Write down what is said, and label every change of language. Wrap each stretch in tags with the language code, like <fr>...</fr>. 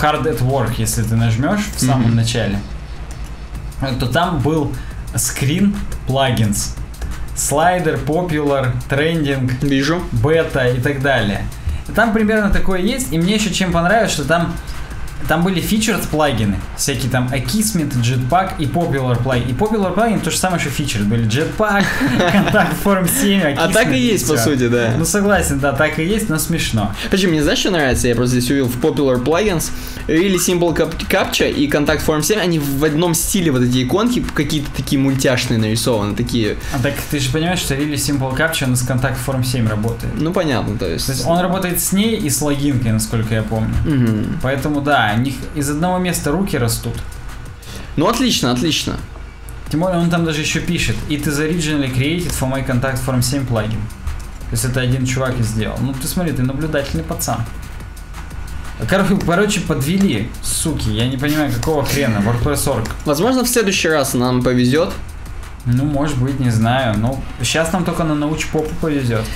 <en>Hard at work,</en> <ru>если ты нажмешь в самом mm-hmm. начале. То там был screen plugins.</ru> <en>Slider, popular, trending.</en> <ru>Вижу. Beta и так далее. Там примерно такое есть. И мне еще чем понравилось, что там... Там были featured плагины. Всякие там Akismet, Jetpack и popular plugin. И popular plugin то же самое, что featured. Были Jetpack, Contact Form 7, Akismet. А так и есть, по сути, да. Ну согласен, да, так и есть, но смешно. Подожди, мне знаешь, что нравится? Я просто здесь увидел в popular plugins Really Simple Captcha и Contact Form 7. Они в одном стиле, вот эти иконки, какие-то такие мультяшные нарисованы, такие. А так ты же понимаешь, что Really Simple Captcha, он с Contact Form 7 работает. Ну понятно, то есть. То есть он работает с ней и с логинкой, насколько я помню. Угу. Поэтому да, у них из одного места руки растут. Ну, отлично, отлично. Тем более, он там даже еще пишет.</ru> <en>It is originally created for my contact form 7 плагин.</en> <ru>То есть это один чувак и сделал. Ну, ты смотри, ты наблюдательный пацан. Короче, подвели, суки. Я не понимаю, какого хрена. WordPress.org. Возможно, в следующий раз нам повезет. Ну, может быть, не знаю. Ну, сейчас нам только на научпопу повезет.</ru>